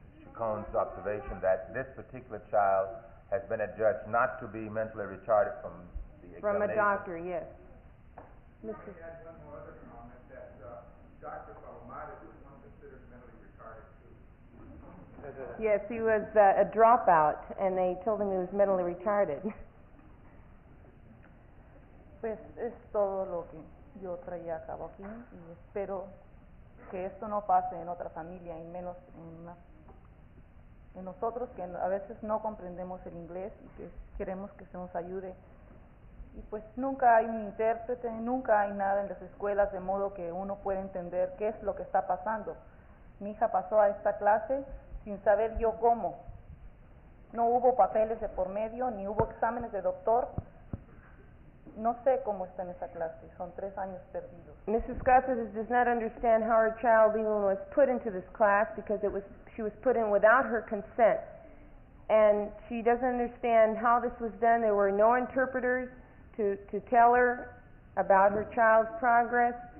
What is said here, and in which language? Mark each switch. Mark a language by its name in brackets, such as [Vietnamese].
[English] Chacon's observation that this particular child has been adjudged not to be mentally retarded from the from examination? From a doctor, yes. Mr. I had one more other comment that Dr. Palomares was one considered mentally retarded too. Yes, he was a dropout, and they told him he was mentally retarded. [Spanish] Pues es todo lo que yo traía a cabo aquí y espero que esto no pase en otra familia y menos en nosotros que a veces no comprendemos el inglés y que queremos que se nos ayude. Y pues nunca hay un intérprete, nunca hay nada en las escuelas de modo que uno pueda entender qué es lo que está pasando. Mi hija pasó a esta clase sin saber yo cómo. No hubo papeles de por medio, ni hubo exámenes de doctor. No sé cómo está en esa clase. Son tres años perdidos. [English] Mrs. Cassidy does not understand how her child even was put into this class because she was put in without her consent. And she doesn't understand how this was done. There were no interpreters to tell her about her child's progress.